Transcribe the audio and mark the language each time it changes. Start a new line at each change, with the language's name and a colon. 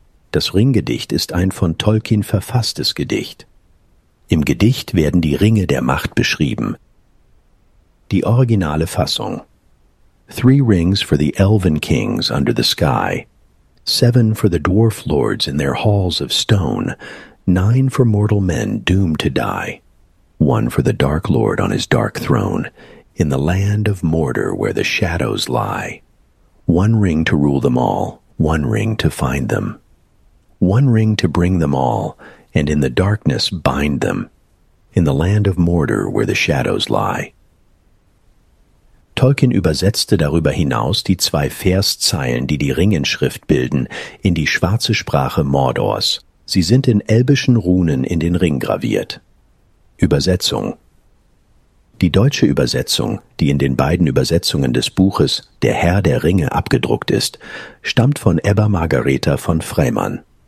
German: Das Ringgedicht ist ein von Tolkien verfasstes Gedicht. Im Gedicht werden die Ringe der Macht beschrieben. Die originale Fassung:
English: Three rings for the elven kings under the sky, seven for the dwarf lords in their halls of stone, nine for mortal men doomed to die, one for the dark lord on his dark throne, in the land of Mordor where the shadows lie. One ring to rule them all, one ring to find them. One ring to bring them all, and in the darkness bind them, in the land of Mordor where the shadows lie.
German: Tolkien übersetzte darüber hinaus die zwei Verszeilen, die die Ringenschrift bilden, in die schwarze Sprache Mordors. Sie sind in elbischen Runen in den Ring graviert. Übersetzung: Die deutsche Übersetzung, die in den beiden Übersetzungen des Buches »Der Herr der Ringe« abgedruckt ist, stammt von Ebba Margareta von Freimann.